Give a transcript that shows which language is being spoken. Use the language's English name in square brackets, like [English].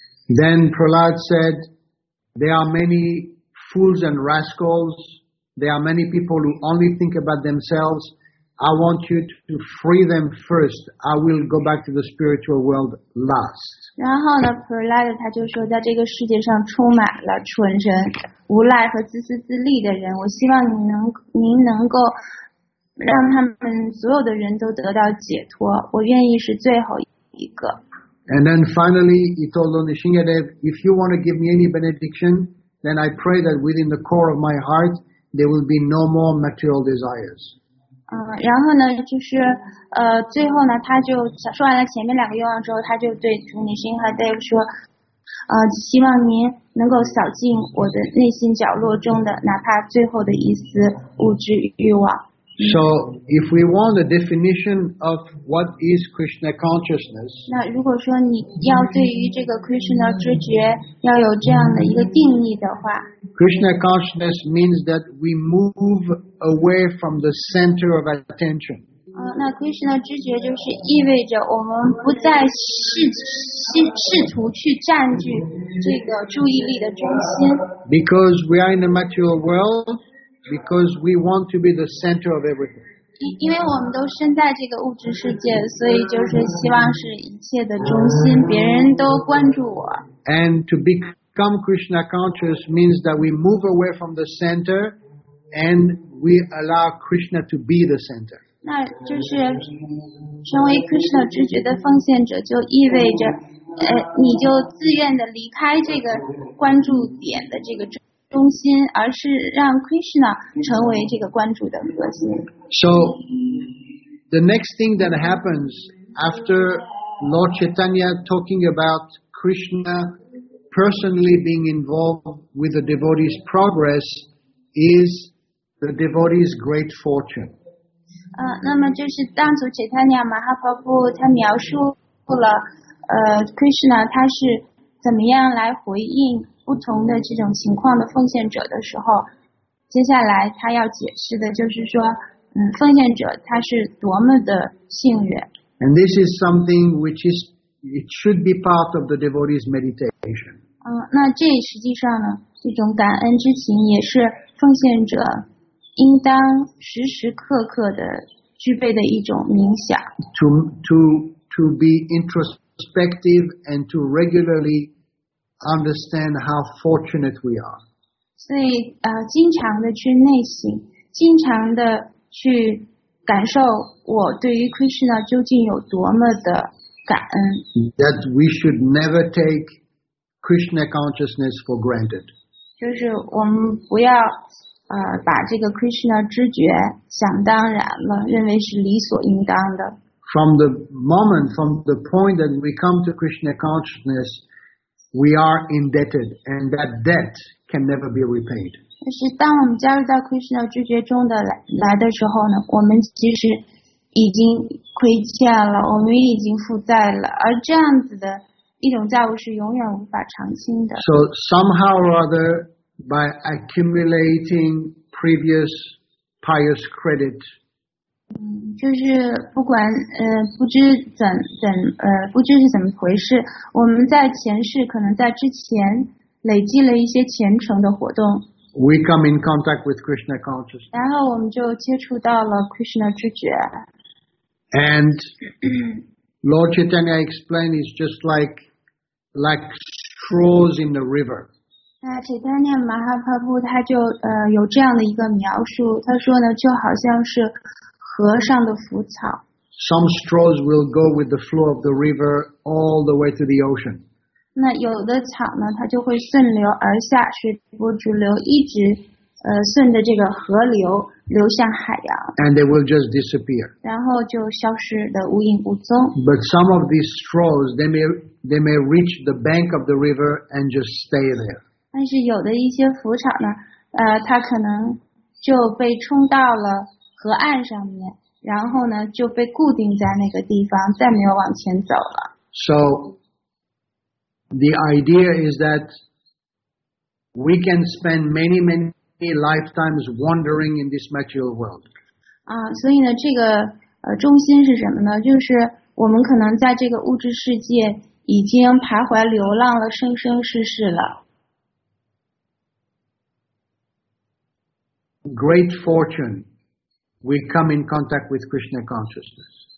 [English] Then Prahlad said, there are many fools and rascals. There are many people who only think about themselves. I want you to free them first. I will go back to the spiritual world last. [Chinese] 然后呢 Prahlad 他就说在这个世界上充满了蠢人、无赖和自私自利的人。我希望您能够让他们所有的人都得到解脱。我愿意是最后一个。 [English] And then finally, he told Lord Nrisimhadev, if you want to give me any benediction, then I pray that within the core of my heart, there will be no more material desires. [Chinese] 然后呢，就是最后呢，他就说完了前面两个愿望之后，他就对主 Nrisimhadev 说，希望您能够扫尽我的内心角落中的哪怕最后的一丝物质欲望。 [English] So, if we want a definition of what is Krishna consciousness, [Chinese] 那如果说你要对于这个 Krishna 知觉要有这样的一个定义的话， [English] Krishna consciousness means that we move away from the center of attention. [Chinese] 那 Krishna 知觉就是意味着我们不再试图去占据这个注意力的中心。 [English] Because we are in a material world,Because we want to be the center of everything. [Chinese] 因为我们都身在这个物质世界，所以就是希望是一切的中心，别人都关注我。 [English] And to become Krishna conscious means that we move away from the center, and we allow Krishna to be the center. [Chinese] 那就是成为 Krishna 知觉的奉献者，就意味着，你就自愿的离开这个关注点的这个中。中心，而是让 Krishna 成为这个关注的核心。 [English] So, the next thing that happens after Lord Chaitanya talking about Krishna personally being involved with the devotee's progress is the devotee's great fortune. [Chinese] 那么就是当初 Chaitanya Mahaprabhu 他描述了Krishna 他是怎么样来回应。不同的这种情况的奉献者的时候，接下来他要解释的就是说，奉献者他是多么的幸运。 [English] And this is something which is it should be part of the devotee's meditation. [Chinese] 那这实际上呢，这种感恩之情也是奉献者应当时时刻刻的具备的一种冥想。 [English] To be introspective and to regularly. Understand how fortunate we are. [Chinese] 所以，经常的去内省，经常的去感受我对于 Krishna 究竟有多么的感恩。 [English] That we should never take Krishna consciousness for granted. [Chinese] 就是我们不要把这个 Krishna 知觉想当然了，认为是理所应当的。 [English] From the moment, from the point that we come to Krishna consciousness. We are indebted, and that debt can never be repaid. [Chinese] 但是当我们加入到 Krishna 知觉中的来的时候呢，我们其实已经亏欠了，我们已经负债了，而这样子的一种债务是永远无法偿清的。 [English] So somehow or other, by accumulating previous pious credit. [Chinese] 就是不管不知是怎么回事，我们在前世可能在之前累积了一些虔诚的活动。 [English] We come in contact with Krishna consciousness. [Chinese] 然后我们就接触到了 Krishna 知觉。 [English] And Lord Chaitanya explained is just like straws in the river. [Chinese] 那 Chaitanya Mahaprabhu 他就有这样的一个描述，他说呢就好像是。河上的浮草。 [English] Some straws will go with the flow of the river all the way to the ocean. [Chinese] 那有的草呢，它就会顺流而下，随波逐流，一直顺着这个河流流向海洋。 [English] And they will just disappear. [Chinese] 然后就消失的无影无踪。 [English] But some of these straws, they may reach the bank of the river and just stay there. [Chinese] 但是有的一些浮潮呢，它可能就被冲到了河岸上面，然后呢就被固定在那个地方，再没有往前走了。 [English] So the idea is that we can spend many many lifetimes wandering in this material world. [Chinese] 啊，所以呢，这个中心是什么呢？就是我们可能在这个物质世界已经徘徊流浪了生生世世了。 [English] Great fortune, we come in contact with Krishna consciousness.